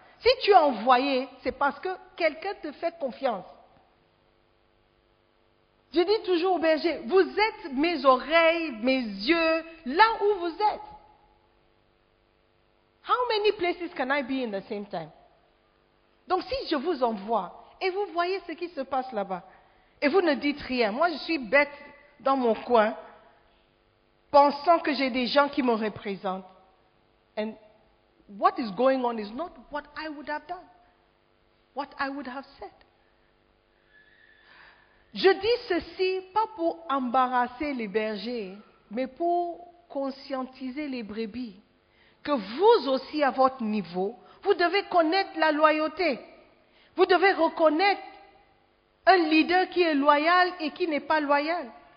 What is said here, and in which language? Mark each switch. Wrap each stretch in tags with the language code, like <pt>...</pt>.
<fr>Si tu es envoyé, c'est parce que quelqu'un te fait confiance. Je dis toujours au berger, vous êtes mes oreilles, mes yeux, là où vous êtes.</fr> <en>How many places can I be in the same time?</en> <fr>Donc si je vous envoie et vous voyez ce qui se passe là-bas et vous ne dites rien, moi je suis bête dans mon coin pensant que j'ai des gens qui me représentent.</fr> <en>And what is going on is not what I would have done, what I would have said.</en> <fr>Je dis ceci pas pour embarrasser les bergers, mais pour conscientiser les brebis. Que vous aussi, à votre niveau, vous devez connaître la loyauté. Vous devez reconnaître un leader qui est loyal et qui n'est pas loyal.</fr>